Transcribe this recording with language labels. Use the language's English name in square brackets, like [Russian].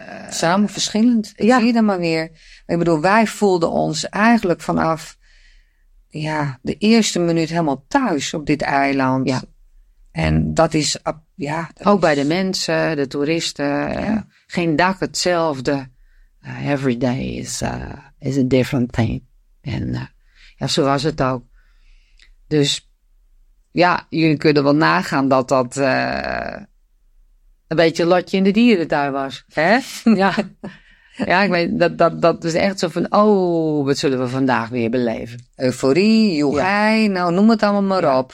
[Dutch] Samen verschillend. Ja. Zie je dan maar weer. Ik bedoel, wij voelden ons eigenlijk vanaf de eerste minuut helemaal thuis op dit eiland. Ja. En dat is... Ook bij de mensen, de toeristen. Ja. Geen dag hetzelfde. [English] Every day is a different thing. [Dutch] En zo was het ook. Dus jullie kunnen wel nagaan dat een beetje lotje in de dierentuin was. Hè? Ja. Ja, ik weet, dat is echt zo van, wat zullen we vandaag weer beleven? Euforie, joegij, nou noem het allemaal maar op.